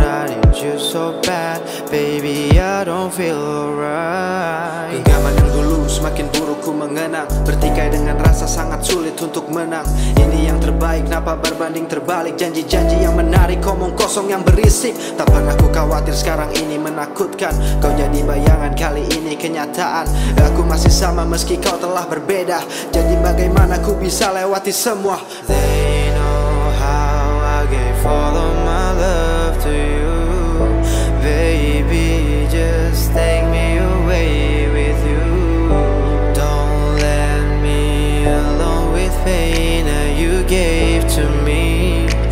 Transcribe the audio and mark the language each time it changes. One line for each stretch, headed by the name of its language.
English: I need you so bad, baby I don't feel alright.
Indonesian: Genggaman yang dulu semakin buruk ku mengenang. Bertikai dengan rasa sangat sulit untuk menang. Ini yang terbaik, kenapa berbanding terbalik? Janji-janji yang menarik, omong kosong yang berisik. Tak pernah ku khawatir sekarang ini menakutkan. Kau jadi bayangan kali ini kenyataan. Aku masih sama meski kau telah berbeda. Jadi bagaimana ku bisa lewati semua?
English: They know how I gave all of my love to you. Baby, just take me away with you. Don't let me alone with pain that you gave to me.